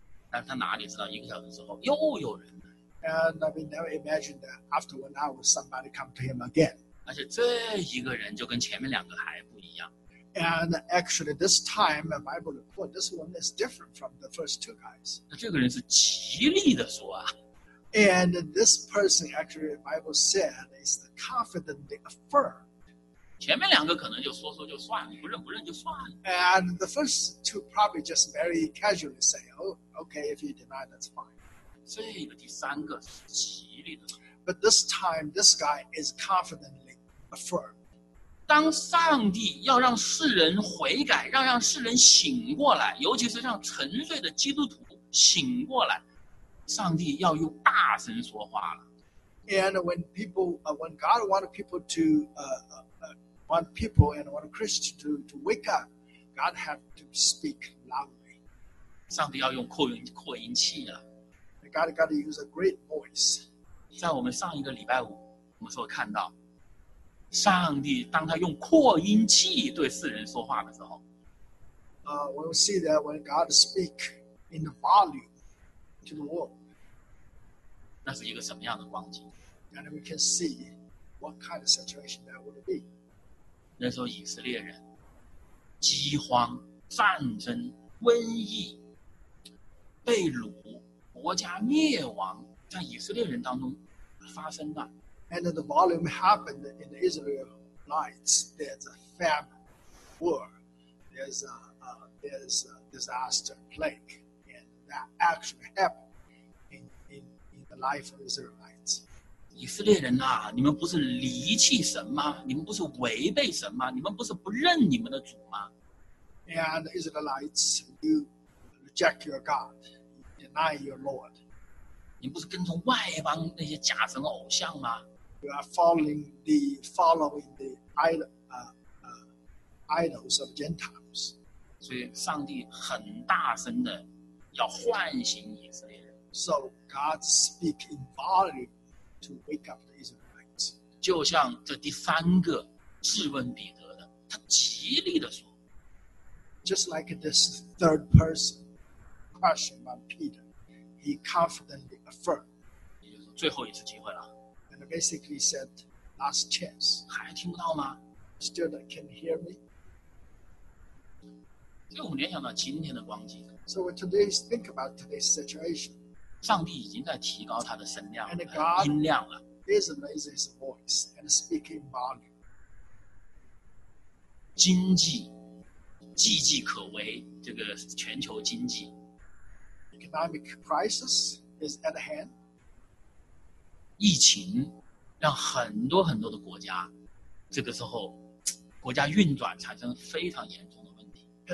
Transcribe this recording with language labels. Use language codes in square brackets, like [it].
[zh] 但他哪里知道，一个小时之后又有人。 [en] And I mean, never imagined that after 1 hour, somebody come to him again. [zh] 而且这一个人就跟前面两个还不一样。 [en] And actually, this time, the Bible report, this one is different from the first two guys. [zh] 那这个人是极力的说啊。 [en] And this person, actually, the Bible said, is the confidently affirmed. [zh] 前面两个可能就说说就算了，不认不认就算了。 [en] And the first two probably just very casually say, oh, okay, if you deny, that's fine. [zh] 这个第三个极力的 [en] But this time, this guy is confidently affirmed. [zh] 当上帝要让世人悔改，让世人醒过来，尤其是让沉睡的基督徒醒过来，上帝要用大声说话了。 [en] And when God wanted people to want people and want Christians to wake up, God had to speak loudly. [zh] 上帝要用扩音器啊。 [en] Got to use a great voice. [zh] 在我们上一个礼拜五，我们说看到，上帝当他用扩音器对世人说话的时候， [en] we will see that when God speak in volume to the world. [zh] 那是一个什么样的光景 [en] ？And we can see what kind of situation that would be. [zh] 那时候以色列人，饥荒、战争、瘟疫、被掳。国家灭亡在以色列人当中发生了。 [en] And the volume happened in the Israelites. There's a famine, war, there's a disaster, plague, and that actually happened in the life of Israelites. [zh] 以色列人啊，你们不是离弃神吗？你们不是违背神吗？你们不是不认你们的主吗 [en] ？And Israelites, you reject your God. Deny your Lord. [zh] 你不是跟从外邦那些假神偶像吗 [en] ？You are following the idols of Gentiles. [zh] 所以上帝很大声的要唤醒以色列人。 [en] So God speak in volume to wake up the Israelites. [zh] 就像这第三个质问彼得的，他极力的说 [en] ，Just like this third person. Question by Peter, he confidently affirmed. [zh] 也就是最后一次机会了。 [en] And basically said, last chance. [zh] 还听不到吗 [en] ？Still can hear me. [zh] 所以我们联想到今天的光景。 [en] So we today think about today's situation. [zh] 上帝已经在提高他的声量、音量了。 [en] He is raising his voice and speaking volume. [zh] 经济岌岌可危，这个全球经济。 [en] Economic crisis is at hand. [zh] 疫情让很多很多的国家，这个时候国家运转产生非常严重的问题。